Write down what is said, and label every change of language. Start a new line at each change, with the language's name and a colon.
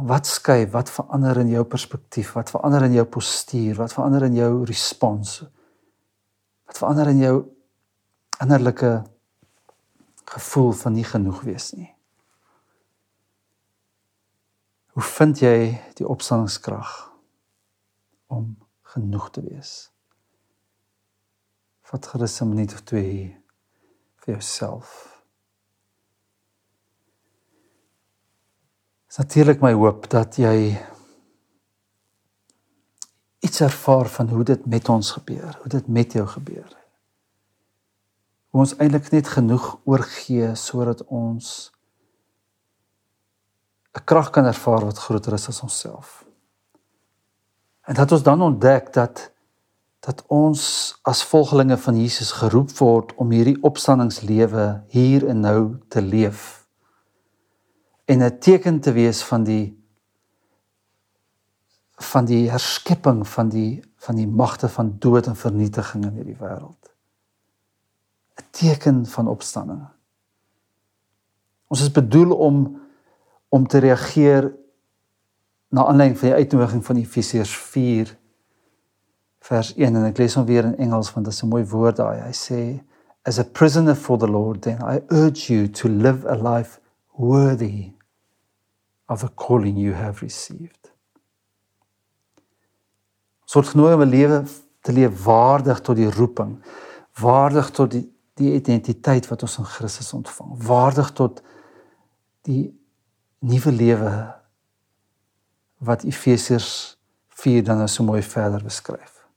Afrikaans: Wat skei, wat verander in jou perspektief, wat verander in jou postuur, wat verander in jou respons, wat verander in jou innerlike gevoel van nie genoeg wees nie. Hoe vind jy die opstandingskrag om genoeg te wees? Vat gerus 'n minuut of twee vir jouself. Het is natuurlijk my hoop dat jy iets ervaar van hoe dit met ons gebeur, hoe dit met jou gebeur. hoe ons eintlik net genoeg oorgee sodat ons 'n krag kan ervaar wat groter is as onsself. En dat ons dan ontdek dat ons as volgelinge van Jesus geroep word om hierdie opstandingslewe hier en nou te leef en 'n teken te wees van die herskepping van die magte van dood en vernietiging in hierdie wêreld. 'n Teken van opstanding. Ons is bedoel om te reageer na aanleiding van die uitnodiging van Efesiërs 4 vers 1, en ek lees hom weer in Engels, want dit is 'n mooi woord daai. Hy sê,
English: as a prisoner for the Lord, then I urge you to live a life worthy of the calling you have received.
Afrikaans: Ons word genooi om 'n lewe te leef waardig tot die roeping, waardig tot die identiteit wat ons in Christus ontvang, waardig tot die nuwe lewe wat Efesiërs 4 dan so mooi verder beskryf.